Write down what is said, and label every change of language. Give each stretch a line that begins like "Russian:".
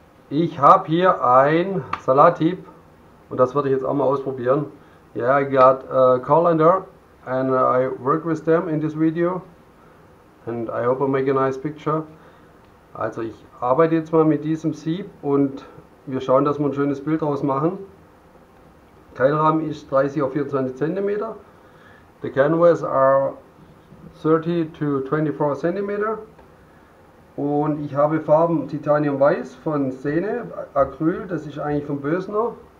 German: Ich habe hier ein Salat-Tipp und das werde ich jetzt auch mal ausprobieren.
English: Yeah, I got a colander and I work with them in this video and I hope I make a nice picture.
German: Also ich arbeite jetzt mal mit diesem Sieb und wir schauen, dass wir ein schönes Bild draus machen. Keilrahmen ist 30 auf 24 cm.
English: The canvas are 30 to 24 cm
German: und ich habe Farben Titanium Weiß von Sene, Acryl, das ist eigentlich von Bösner.